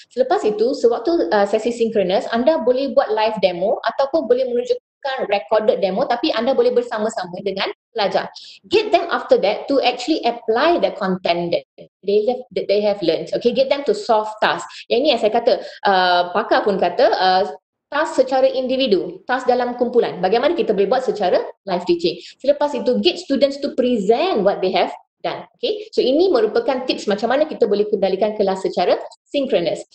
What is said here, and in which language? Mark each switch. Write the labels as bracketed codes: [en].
[ms] Selepas itu, sewaktu sesi synchronous, anda boleh buat live demo ataupun boleh menunjukkan [en] recorded demo, [ms] tapi anda boleh bersama-sama dengan pelajar. [en] Get them after that to actually apply the content that they have learned. Okay, get them to solve tasks. [ms] Yang ini yang saya kata, pakar pun kata, task secara individu, task dalam kumpulan. Bagaimana kita boleh buat secara live teaching. Selepas itu, [en] get students to present what they have done. [ms] Okay, so ini merupakan tips macam mana kita boleh kendalikan kelas secara synchronous.